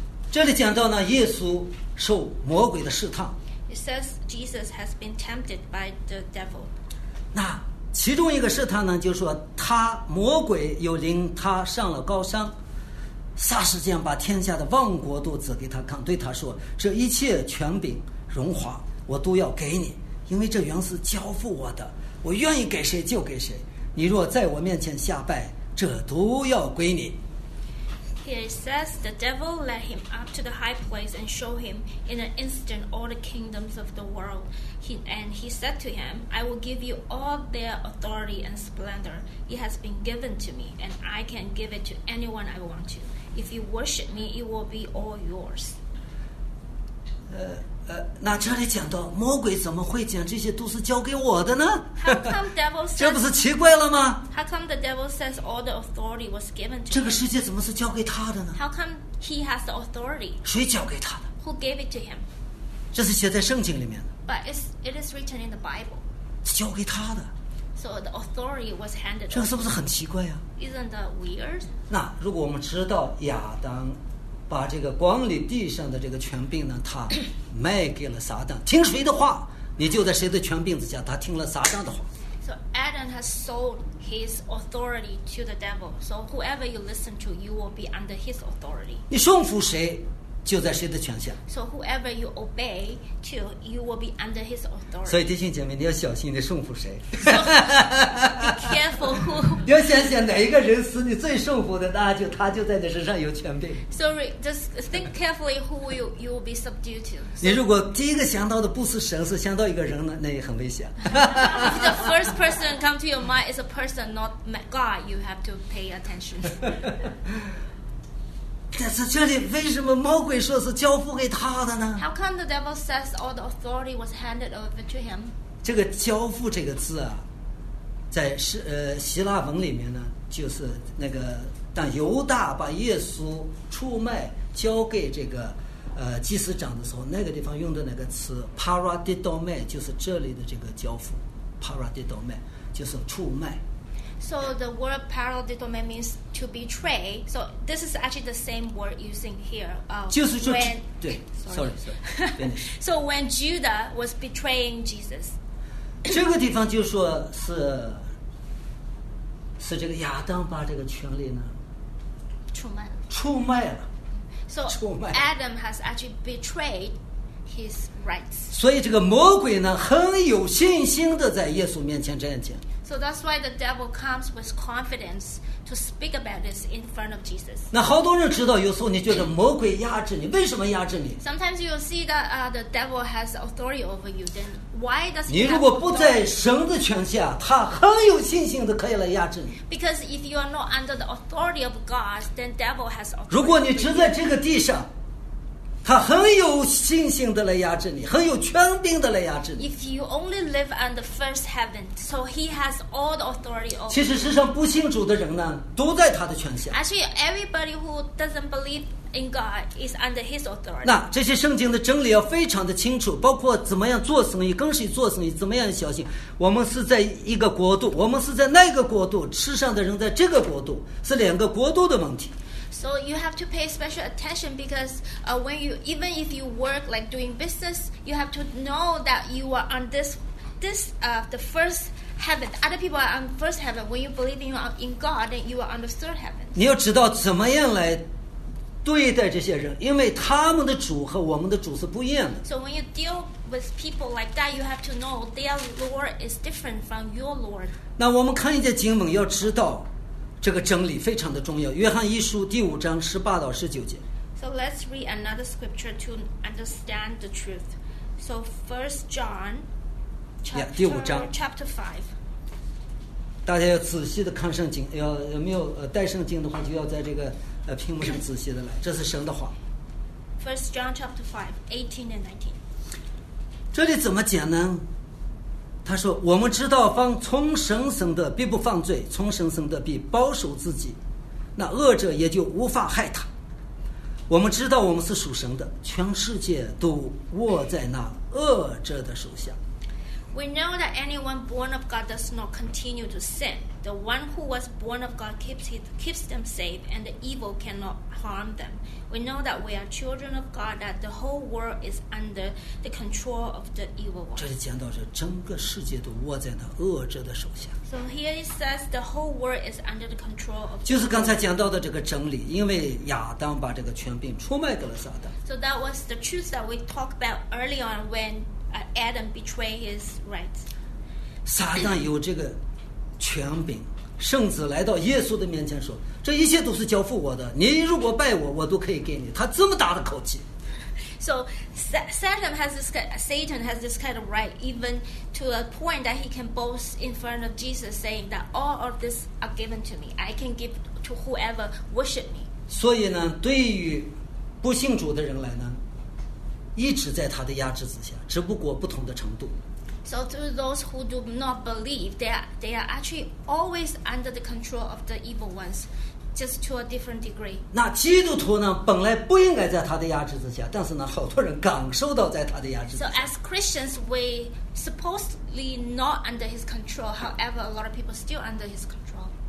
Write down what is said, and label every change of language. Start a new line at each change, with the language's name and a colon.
Chinese: 这里讲到呢，耶稣受魔鬼的试探。
English: It says Jesus has been tempted by the devil.
Chinese: 那其中一个试探呢，就是说他魔鬼又领他上了高山。霎时间把天下的万国都指给他看，对他说，这一切权柄荣华我都要给你，因为这原是交付我的，我愿意给谁就给谁，你若在我面前下拜，这都要归你。
English: Here it says, the devil led him up to the high place and showed him in an instant all the kingdoms of the world. He said to him, I will give you all their authority and splendor. It has been given to me, and I can give it to anyone I want to. If you worship me, it will be all yours.
Chinese: 那这里讲到魔鬼怎么会讲这些都是交给我的呢？
English: How come devil says,
Chinese: 这不是奇怪了吗？
English: How come the devil says all the authority was given to him?
Chinese: 这个世界怎么是交给他的呢？
English: How come he has the authority?
Chinese: 谁交给他的？
English: Who gave it to him?
Chinese: 这是写在圣经里面的。
English: But it is written in the Bible.
Chinese: 是交给他的。
English: So the authority was handed to him.
Chinese: 这是不是很奇怪啊？
English: Isn't that weird?
Chinese: 那如果我们知道亚当把这个管理地上的这个权柄呢，他卖给了撒旦。听谁的话，你就在谁的权柄之下。他听了撒旦的话。
English: So Adam has sold his authority to the devil. So whoever you listen to, you will be under his authority.
Chinese: 你顺服谁，就在谁的权下。
English: So whoever you obey to, you will be under his authority.
Chinese: 所以弟兄姐妹，你要小心，你顺服谁。
English: So, be careful who.
Chinese: 你要想想哪一个人使你最顺服的，那就他就在你身上有权柄。
English: So just think carefully who you will be subdued to.
Chinese: 你如果第一个想到的不是神，是想到一个人呢，那也很危险。
English: If the first person come to your mind is a person, not God, you have to pay attention.
Chinese: 但是这里为什么魔鬼说是交付给他的呢？
English: How come the devil says all the authority was handed over to him?
Chinese: 这个交付这个字啊，在希腊文里面呢，就是那个当犹大把耶稣出卖交给这个祭司长的时候，那个地方用的那个词 paradidomai， 就是这里的这个交付 paradidomai， 就是出卖。
English: So the word paradidomai means to betray. So this is actually the same word using here.
Chinese: 就是说，
English: when,
Chinese: 对 ，
English: sorry. So when Judah was betraying Jesus,
Chinese: 这个地方就说是这个亚当把这个权利呢出卖了。
English: So Adam has actually betrayed his rights.
Chinese: 所以这个魔鬼呢，很有信心的在耶稣面前这样讲。
English: So that's why the devil comes with confidence to speak about this in front of Jesus.
Chinese: 那好多人知道，有时候你觉得魔鬼压制你，为什么压制你？
English: Sometimes you will see that the devil has authority over you. Then why does he?
Chinese: 你如果不在神的权下，他很有信心的可以来压制你。
English: Because if you are not under the authority of God, then devil has authority.
Chinese: 如果你只在这个地上。他很有信心的来压制你，很有权柄的来压制你。
English: If you only live on the first heaven, so he has all the authority over.
Chinese: 其实世上不信主的人呢，都在他的权下。
English: Actually, everybody who doesn't believe in God is under his authority.
Chinese: 那这些圣经的真理要非常的清楚，包括怎么样做生意，跟谁做生意，怎么样小心。我们是在一个国度，我们是在那个国度，世上的人在这个国度，是两个国度的问题。
English: So you have to pay special attention because when you even if you work like doing business, you have to know that you are on this the first heaven. Other people are on first heaven. When you believe in God, then you are on the third heaven.
Chinese: 你要知道怎么样来对待这些人，因为他们的主和我们的主是不一样的。
English: So when you deal with people like that, you have to know their Lord is different from your Lord.
Chinese: 那我们看一些经文，要知道。这个真理非常的重要。约翰一书第五章18-19节。
English: So let's read another scripture to understand the truth. So First John, chapter 5.
Chinese: 大家要仔细的看圣经，要没有带圣经的话，就要在这个屏幕上仔细的来。这是神的话。
English: First John chapter 5:18-19.
Chinese: 这里怎么讲呢？他说我们知道方从神生的必不犯罪，从神生的必保守自己，那恶者也就无法害他。我们知道我们是属神的，全世界都握在那恶者的手下。
English: We know that anyone born of God does not continue to sin. The one who was born of God keeps them safe, and the evil cannot harm them. We know that we are children of God, that the whole world is under the control of the evil one.
Chinese: 这里讲到是整个世界都握在那恶者的手下。
English: So here it says the whole world is under the control of.
Chinese: 就是刚才讲到的这个真理，因为亚当把这个权柄出卖给了撒旦。
English: So that was the truth that we talked about early on when Adam betrayed his rights.
Chinese: 撒旦有这个权柄。圣子来到耶稣的面前说：“这一切都是交付我的，你如果拜我，我都可以给你。” 他这么大的口气。
English: So Satan has this kind of right, even to a point that he can boast in front of Jesus, saying that all of this are given to me. I can give to whoever worship me.
Chinese: 所以呢，对于不信主的人来呢，一直在他的压制之下，只不过不同的程度。
English: So to those who do not believe, they are actually always under the control of the evil ones, just to a different degree.
Chinese: 那基督徒呢，本来不应该在他的压制之下，但是呢，好多人感受到在他的压制之下。
English: So as Christians, we supposedly not under his control. However, a lot of people still under his control.